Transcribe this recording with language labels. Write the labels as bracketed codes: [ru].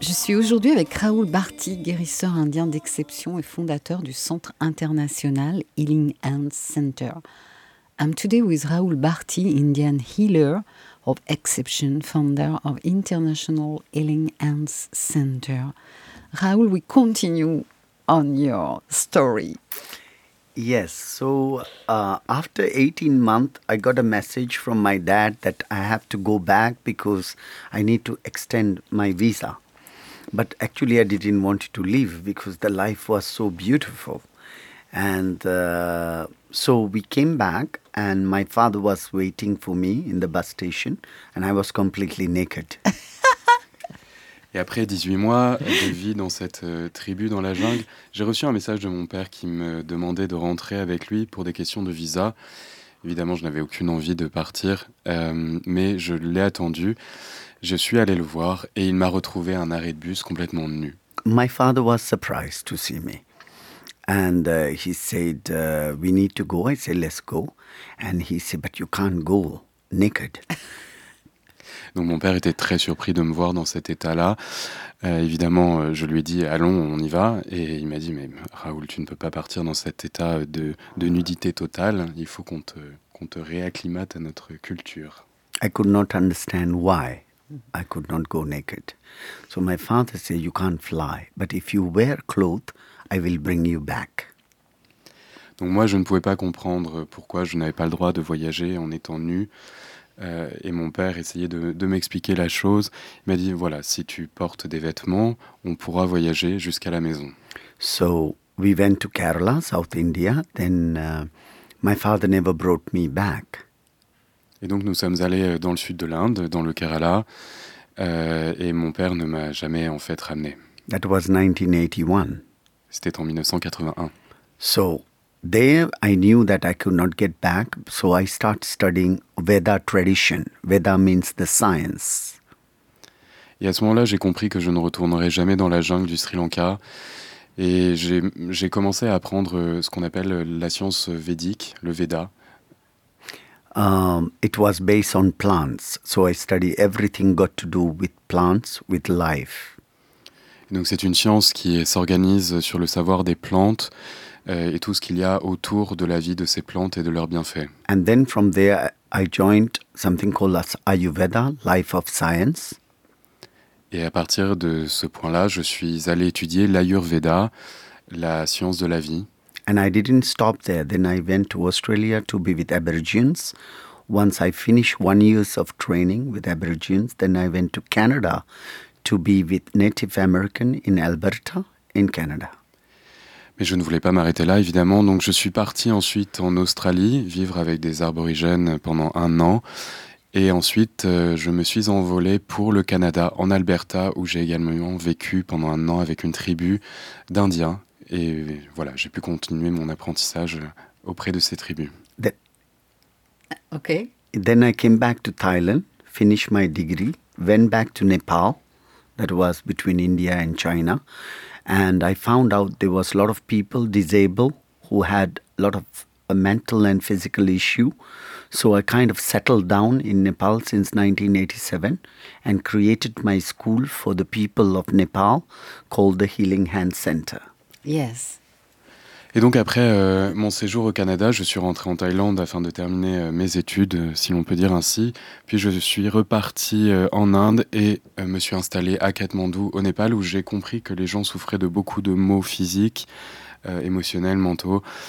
[fr] Aujourd'hui avec Rahul Bharti, guérisseur indien d'exception et fondateur du centre international Healing Hands Center. [en] I'm today with Rahul Bharti, Indian healer of exception, founder of International Healing Hands Center. Rahul, we continue on your story. Yes, so after 18 months, I got a message from my dad that I have to go back because I need to extend my visa. But actually, I didn't want to leave because the life was so beautiful. And so we came back and my father was waiting for me in the bus station and I was completely naked. [fr] Et après 18 mois de vie dans cette tribu dans la jungle, j'ai reçu un message de mon père qui me demandait de rentrer avec lui pour des questions de visa. Évidemment, je n'avais aucune envie de partir, mais je l'ai attendu. Je suis allé le voir et il m'a retrouvé à un arrêt de bus complètement nu. [en] My father was surprised to see me. And he said, we need to go. I said, let's go. And he said, but you can't go naked. [fr] Donc mon père était très surpris de me voir dans cet état-là. Évidemment, je lui ai dit, allons, on y va. Et il m'a dit, mais Rahul, tu ne peux pas partir dans cet état de nudité totale. Il faut qu'on te réacclimate à notre culture. [en] I could not understand why. I could not go naked. So my father said, you can't fly, but if you wear clothes, I will bring you back. [fr] Donc moi, je ne pouvais pas comprendre pourquoi je n'avais pas le droit de voyager en étant nu. Et mon père essayait de m'expliquer la chose. Il m'a dit, voilà, si tu portes des vêtements, on pourra voyager jusqu'à la maison. [en] So we went to Kerala, South India. Then my father never brought me back. [fr] Et donc, nous sommes allés dans le sud de l'Inde, dans le Kerala, et mon père ne m'a jamais, en fait, ramené. [en] That was 1981. [fr] C'était en 1981. [en] So, there, I knew that I could not get back, so I start studying Veda tradition. Veda means the science. [fr] Et à ce moment-là, j'ai compris que je ne retournerai jamais dans la jungle du Sri Lanka, et j'ai commencé à apprendre ce qu'on appelle la science védique, le Veda. [en] It was based on plants, so I study everything got to do with plants, with life. [fr] Donc c'est une science qui s'organise sur le savoir des plantes et tout ce qu'il y a autour de la vie de ces plantes et de leurs bienfaits. [en] And then from there, I joined something called as Ayurveda, life of science. [fr] Et à partir de ce point-là, je suis allé étudier l'Ayurveda, la science de la vie. [en] And I didn't stop there. Then I went to Australia to be with Aborigines. Once I finished 1 year of training with Aborigines, then I went to Canada to be with Native American in Alberta, in Canada. [fr] Mais je ne voulais pas m'arrêter là, évidemment. Donc je suis parti ensuite en Australie, vivre avec des aborigènes pendant un an. Et ensuite, je me suis envolé pour le Canada, en Alberta, où j'ai également vécu pendant un an avec une tribu d'Indiens. Et voilà, j'ai pu continuer mon apprentissage auprès de ces tribus. [en] Okay. Then I came back to Thailand, finished my degree, went back to Nepal, that was between India and China, and I found out there was a lot of people disabled who had a lot of a mental and physical issue. So I kind of settled down in Nepal since 1987 and created my school for the people of Nepal called the Healing Hand Center. Yes. [fr] Et donc après mon séjour au Canada, je suis rentré en Thaïlande afin de terminer mes études, si l'on peut dire ainsi. Puis je suis reparti en Inde et me suis installé à Katmandou, au Népal, où j'ai compris que les gens souffraient de beaucoup de maux physiques, émotionnels, mentaux.